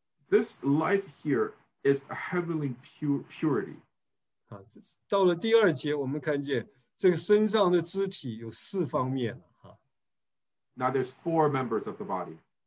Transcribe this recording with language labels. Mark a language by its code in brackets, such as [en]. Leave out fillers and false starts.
[en] This life here is a heavenly purity. [zh] 到了第二节，我们看见这个身上的肢体有四方面。 [en] Now there's four members of the body.